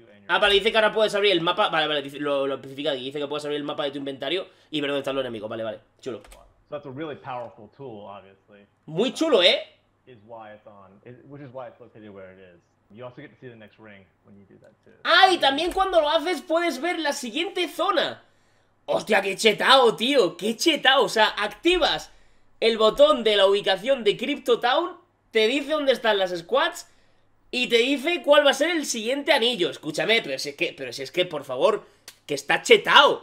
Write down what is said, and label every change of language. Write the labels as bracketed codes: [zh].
[es] Ah, vale, dice que ahora puedes abrir el mapa. Vale, vale, dice, lo especifica aquí. Dice que puedes abrir el mapa de tu inventario y ver dónde están los enemigos. Vale, vale, chulo. [en] So that's a really powerful tool, obviously. [es] Muy chulo, ¿eh? [en] Is why it's on, which is why it's located where it is. You also get to see the next ring when you do that too. [es] Ah, y también cuando lo haces puedes ver la siguiente zona. Hostia, qué chetao, tío, qué chetao. O sea, activas el botón de la ubicación de Crypto Town, te dice dónde están las squads y te dice cuál va a ser el siguiente anillo. Escúchame, pero si es que por favor, que está chetao.